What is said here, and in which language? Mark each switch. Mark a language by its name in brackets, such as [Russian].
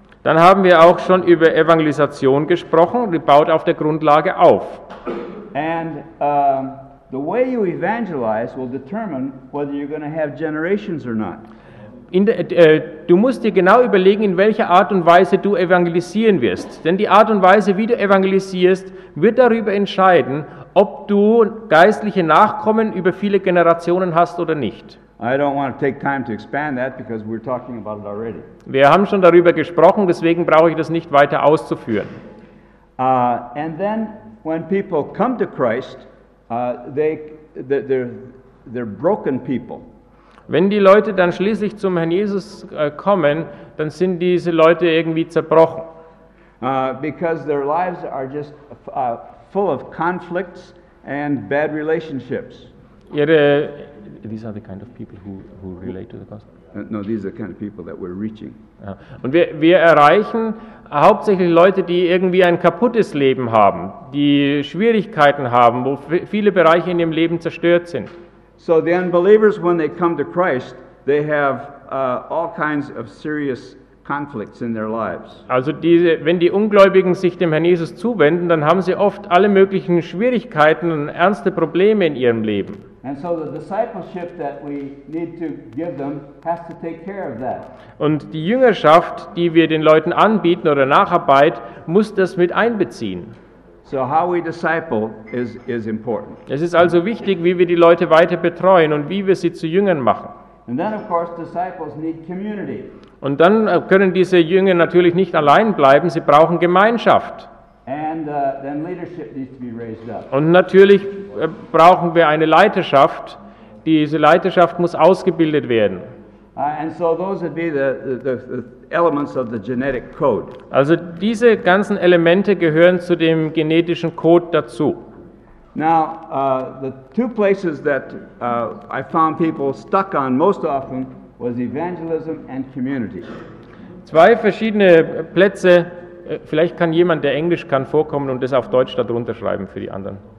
[German] Dann haben wir auch schon über Evangelisation gesprochen, die baut auf der Grundlage auf. [English] And the way you evangelize will determine whether you're going to have generations or not. [German] Du musst dir genau überlegen, in welcher Art und Weise du evangelisieren wirst. Denn die Art und Weise, wie du evangelisierst, wird darüber entscheiden, ob du geistliche Nachkommen über viele Generationen hast oder nicht. [English] I don't want to take time to expand that because we're talking about it already. [German] Wir haben schon darüber gesprochen, deswegen brauche ich das nicht weiter auszuführen. [English] And then when people come to Christ, they're broken people. [German] Wenn die Leute dann schließlich zum Herrn Jesus kommen, dann sind diese Leute irgendwie zerbrochen. [English] Because their lives are just full of conflicts and bad relationships. These are the kind of people who relate to the gospel. No, these are the kind of people that we're reaching. [German] Ja. Und wir erreichen hauptsächlich Leute, die irgendwie ein kaputtes Leben haben, die Schwierigkeiten haben, wo viele Bereiche in ihrem Leben zerstört sind. [English] So the unbelievers, when they come to Christ, they have all kinds of serious conflicts in their lives. [German] Also wenn die Ungläubigen sich dem Herrn Jesus zuwenden, dann haben sie oft alle möglichen Schwierigkeiten und ernste Probleme in ihrem Leben. [English] And so the discipleship that we need to give them has to take care of that. [German] Und die Jüngerschaft, die wir den Leuten anbieten oder Nacharbeit, muss das mit einbeziehen. [English] So how we disciple is important. [German] Es ist also wichtig, wie wir die Leute weiter betreuen und wie wir sie zu Jüngern machen. [English] And then of course disciples need community. [German] Und dann können diese Jünger natürlich nicht allein bleiben, sie brauchen Gemeinschaft. [English] And then leadership needs to be raised up. [German] Und natürlich brauchen wir eine Leiterschaft. Diese Leiterschaft muss ausgebildet werden. [English] And so those would be the elements of the genetic code. [German] Also diese ganzen Elemente gehören zu dem genetischen Code dazu. [English] Now, the two places that I found people stuck on most often was evangelism and community. [German] Zwei verschiedene Plätze. Vielleicht kann jemand, der Englisch kann, vorkommen und das auf Deutsch darunter schreiben für die anderen.